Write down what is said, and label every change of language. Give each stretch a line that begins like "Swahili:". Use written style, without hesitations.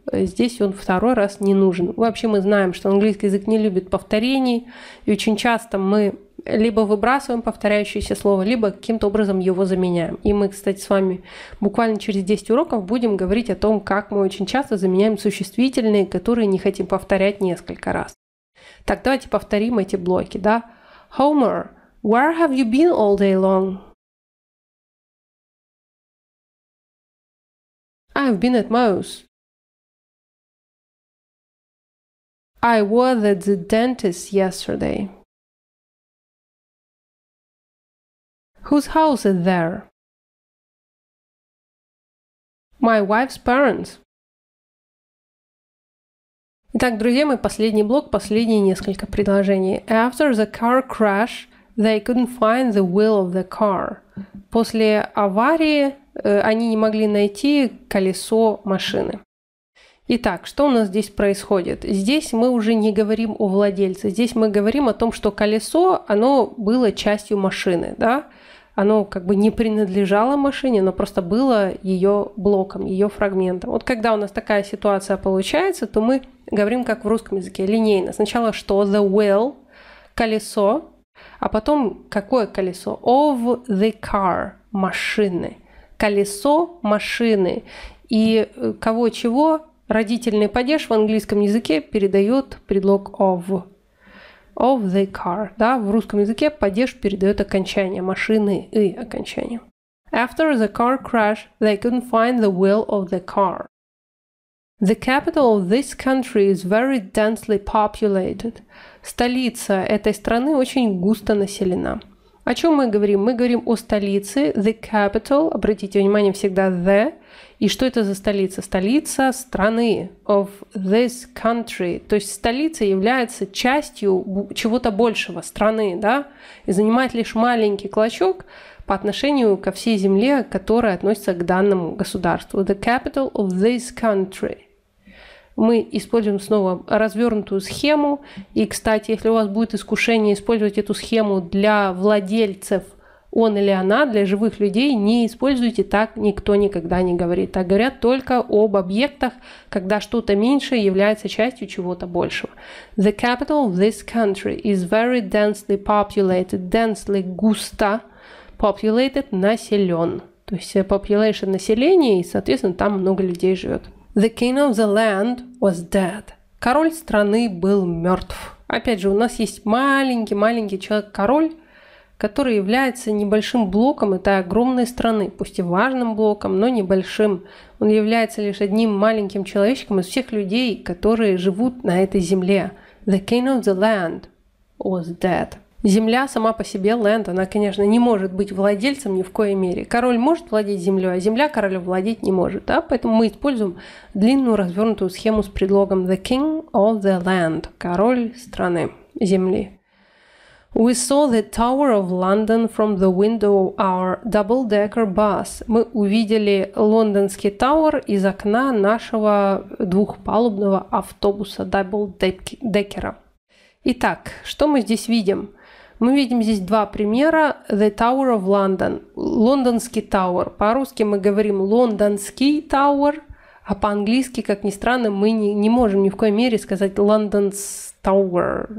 Russian: Здесь он второй раз не нужен. Вообще мы знаем, что английский язык не любит повторений, и очень часто мы либо выбрасываем повторяющееся слово, либо каким-то образом его заменяем. И мы, кстати, с вами буквально через 10 уроков будем говорить о том, как мы очень часто заменяем существительные, которые не хотим повторять несколько раз. Так, давайте повторим эти блоки, да?
English: Homer, where have you been all day long? I've been at Moe's. I was at the dentist yesterday. Whose house is there? My wife's parents.
Russian: Итак, друзья мои, последний блок, последние несколько предложений.
English: After the car crash, they couldn't find the wheel of the car.
Russian: После аварии они не могли найти колесо машины. Итак, что у нас здесь происходит? Здесь мы уже не говорим о владельце. Здесь мы говорим о том, что колесо, оно было частью машины, да? Оно как бы не принадлежало машине, но просто было ее блоком, ее фрагментом. Вот когда у нас такая ситуация получается, то мы говорим как в русском языке, линейно. Сначала что?
English: The wheel,
Russian: колесо, а потом какое колесо?
English: Of the car,
Russian: машины. Колесо машины. И кого чего? Родительный падеж в английском языке передает предлог of.
English: Of the car,
Russian: да, в русском языке падеж передает окончание машины и окончание.
English: After the car crash, they couldn't find the wheel of the car. The capital of this country is very densely populated.
Russian: Столица этой страны очень густо населена. О чем мы говорим? Мы говорим о столице,
English: the capital,
Russian: обратите внимание всегда the, и что это за столица? Столица страны,
English: of this country,
Russian: то есть столица является частью чего-то большего, страны, да, и занимает лишь маленький клочок по отношению ко всей земле, которая относится к данному государству,
English: the capital of this country.
Russian: Мы используем снова развернутую схему. И, кстати, если у вас будет искушение использовать эту схему для владельцев, он или она, для живых людей, не используйте так, никто никогда не говорит. Так говорят только об объектах, когда что-то меньшее является частью чего-то большего.
English: The capital of this country is very densely populated.
Russian: Densely – густо. Populated – населен. То есть population – население, и, соответственно, там много людей живет.
English: The king of the land was dead.
Russian: Король страны был мертв. Опять же, у нас есть маленький-маленький человек-король, который является небольшим блоком этой огромной страны, пусть и важным блоком, но небольшим. Он является лишь одним маленьким человечком из всех людей, которые живут на этой земле.
English: The king of the land was dead.
Russian: Земля сама по себе, land, она, конечно, не может быть владельцем ни в коей мере. Король может владеть землей, а земля королю владеть не может, да? Поэтому мы используем длинную развернутую схему с предлогом
English: the king of the land,
Russian: король страны, земли.
English: We saw the Tower of London from the window of our double-decker bus.
Russian: Мы увидели лондонский тауэр из окна нашего двухпалубного автобуса double-decker. Итак, что мы здесь видим? Мы видим здесь два примера.
English: The Tower of London.
Russian: Лондонский тауэр. По-русски мы говорим лондонский тауэр, а по-английски, как ни странно, мы не можем ни в коей мере сказать
English: London's Tower.